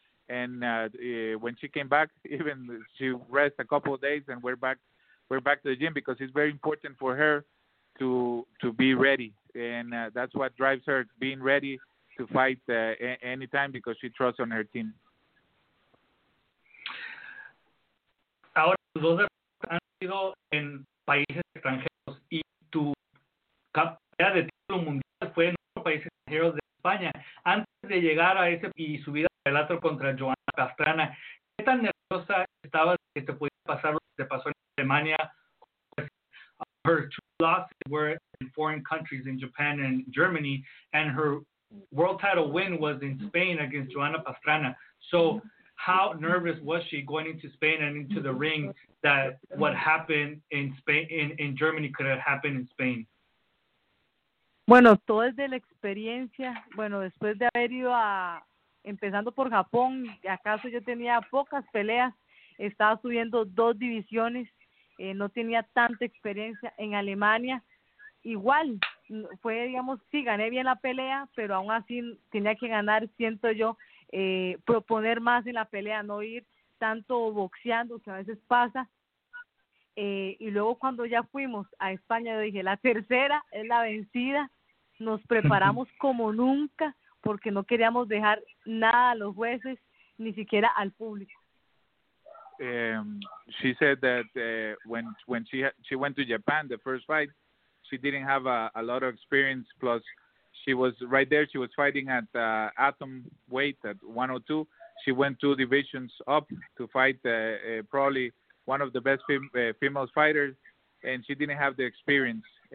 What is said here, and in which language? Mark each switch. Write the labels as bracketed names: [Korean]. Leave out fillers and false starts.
[English] And when she came back, even she rest a couple of days and we're back to the gym because it's very important for her to be ready. And that's what drives her, being ready to fight anytime because she trusts on her team. [Spanish] Ahora, tus dos han sido en países extranjeros y tu campeonato de título mundial fue en otro país extranjero de España. Antes de llegar a ese y subir al otro contra Joana Pastrana, ¿qué tan nerviosa estabas que te pudiera pasar lo que te pasó en Alemania? [English] Her two losses were in foreign countries, in Japan and Germany, and her world title win was in Spain against Joana Pastrana. So how nervous was she going into Spain and into the ring that what happened in Spain, in Germany could have happened in Spain? [Spanish] Bueno, todo es de la experiencia. Bueno, después de haber ido a, empezando por Japón, acaso yo tenía pocas peleas, estaba subiendo dos divisiones, no tenía tanta experiencia en Alemania. Igual, fue, digamos, sí, gané bien la pelea, pero aún así tenía que ganar, siento yo, proponer más en la pelea, no ir tanto boxeando, que a veces pasa. Y luego cuando ya fuimos a España, yo dije, la tercera es la vencida, nos preparamos como nunca, porque no queríamos dejar nada a los jueces, ni siquiera al público. [English] She said that when she went to Japan, the first fight, she didn't have a lot of experience. Plus, she was right there. She was fighting at atom weight at 102. She went two divisions up to fight probably one of the best female fighters, and she didn't have the experience.